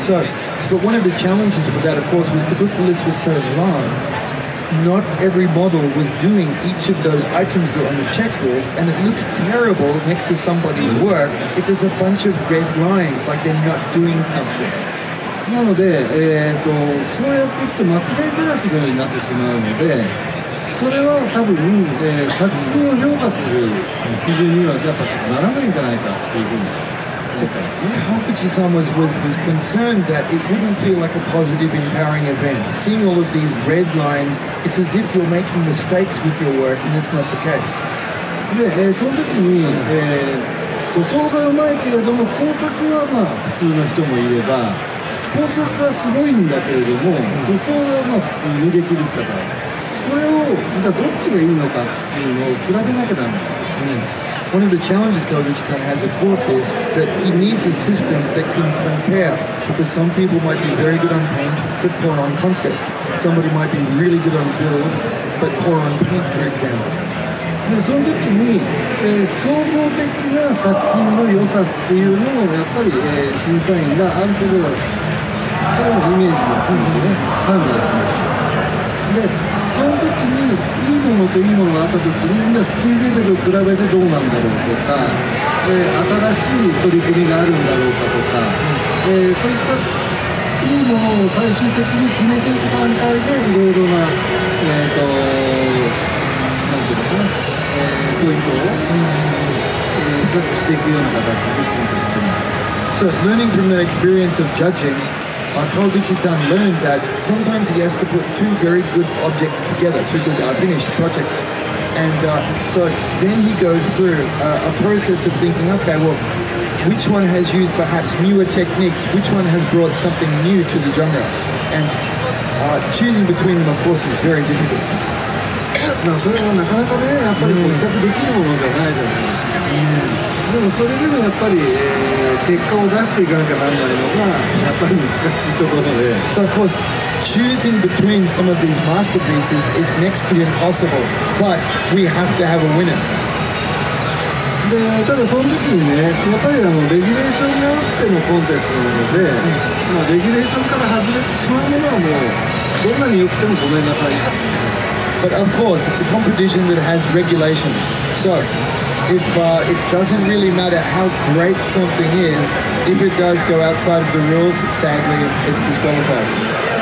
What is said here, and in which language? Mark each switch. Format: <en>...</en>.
<en>So, but one of the challenges with that, of course, was because the list was so long, not every model was doing each of those items that were on the checklist, and it looks terrible next to somebody's work if there's a bunch of red lines, like they're not doing something.</en> <ja>なので、そうやっていくと間違いざらしのようになってしまうので、それは多分、作品を評価する基準にはやっぱちょっとならないんじゃないかっていうふうに。</ja> <en>Kawaguchi-san was concerned that it wouldn't feel like a positive, empowering event. Seeing all of these red lines, it's as if you're making mistakes with your work, and that's not the case.</en> <ja>で、その時に、塗装がうまいけれども、工作はまあ普通の人もいれば、工作がすごいんだけれども、塗装がまあ普通にできる人が、それをじゃあどっちがいいのかっていうのを比べなきゃダメですね。</ja> <en>One of the challenges Kawaguchi-san has, of course, is that he needs a system that can compare, because some people might be very good on paint, but poor on concept. Somebody might be really good on build, but poor on paint, for example.</en> <ja>で、その時に、総合的な作品の良さっていうのをやっぱり、審査員がある程度、そのイメージの感じで、ね、判断しました。で、その時にいいものといいものがあった時にみんなスキルレベルを比べてどうなんだろうとか、新しい取り組みがあるんだろうかとか、そういったいいものを最終的に決めていく段階でいろいろな、なんていうのかな、ポイントを比較していくような形で審査しています。</ja> <en>So, learning from that experience of judging,Kawaguchi-san learned that sometimes he has to put two very good objects together, two good finished projects. And so then he goes through a process of thinking, okay, well, which one has used perhaps newer techniques? Which one has brought something new to the genre? And choosing between them, of course, is very difficult. Now,</en> <ja>それはなかなかね、やっぱり比較できるものじゃないじゃないですか。でもそれでもやっぱり、結果を出していかなきゃならないのがやっぱり難しいところで。</ja> <en>So of course, choosing between some of these masterpieces is next to impossible, but we have to have a winner.</en> <ja>で、ただその時にね、やっぱりレギュレーションがあってのコンテストなので、まあ、レギュレーションから外れてしまうものはもう、どんなに良くてもごめんなさい。</ja> <en>But of course, it's a competition that has regulations. So, if it doesn't really matter how great something is, if it does go outside of the rules, sadly, it's disqualified.</en>